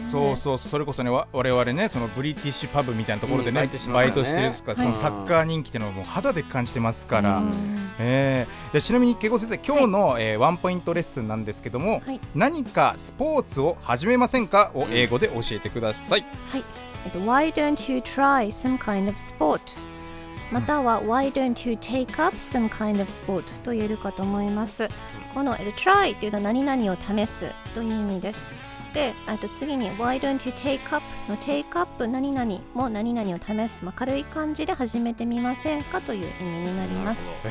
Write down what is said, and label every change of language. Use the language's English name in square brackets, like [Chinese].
[Japanese] そうそうそう、それこそね、我々ね、そのブリティッシュパブみたいなところでね、うん、バイトしてるんですから、そのサッカー人気っていうのはもう肌で感じてますから、うん、ちなみに恵子先生、今日の、はい、ワンポイントレッスンなんですけども、はい、何かスポーツを始めませんかを英語で教えてください。 [English] はい、Why don't you try some kind of sport? [Japanese] または、うん、 [English] Why don't you take up some kind of sport? [Japanese] と言えるかと思います。この try というのは何々を試すという意味です。で、あと次に [English] Why don't you take up? [Japanese] の take up 何々も何々を試す、まあ、軽い感じで始めてみませんかという意味になります。